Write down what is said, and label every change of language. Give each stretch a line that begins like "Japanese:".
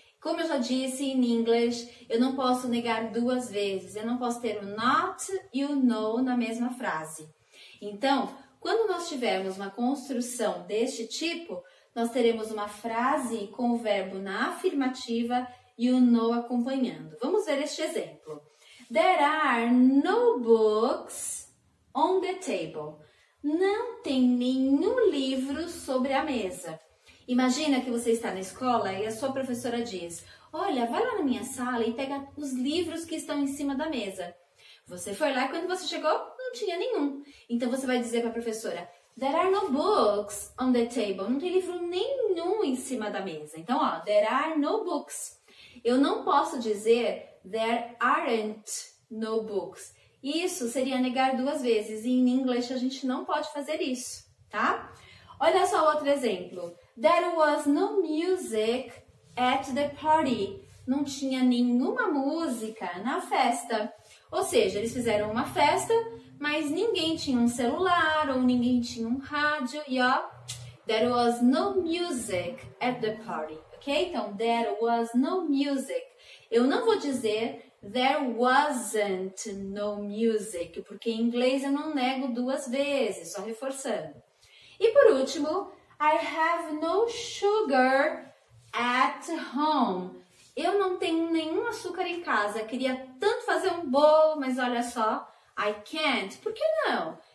Portuguese: Como eu já disse
English: in English,
Portuguese: eu não posso negar duas vezes, eu não posso ter o not e o no na mesma frase. Então, quando nós tivermos uma construção deste tipo, nós teremos uma frase com o verbo na afirmativa e o no acompanhando. Vamos ver este exemplo.
English: There are no books on the table.
Portuguese: Não tem nenhum livro sobre a mesa. Imagina que você está na escola e a sua professora diz: olha, vai lá na minha sala e pega os livros que estão em cima da mesa. Você foi lá e quando você chegou, não tinha nenhum. Então você vai dizer para a professora:
English: there are no books on the table.
Portuguese: Não tem livro nenhum em cima da mesa. Então, ó,
English: there are no books.
Portuguese: Eu não posso dizer
English: there aren't no books.
Portuguese: Isso seria negar duas vezes. E em inglês a gente não pode fazer isso, tá? Olha só outro exemplo.
English: There was no music at the party.
Portuguese: Não tinha nenhuma música na festa. Ou seja, eles fizeram uma festa, mas ninguém tinha um celular ou ninguém tinha um rádio. E ó,
English: there was no music at the party. Ok? Então, there was no music.
Portuguese: Eu não vou dizer
English: there wasn't no music,
Portuguese: porque em inglês eu não nego duas vezes, só reforçando. E por último,
English: I have no sugar at home.
Portuguese: Eu não tenho nenhum açúcar em casa, queria tanto fazer um bolo, mas olha só,
English: I can't.
Portuguese: Por que não?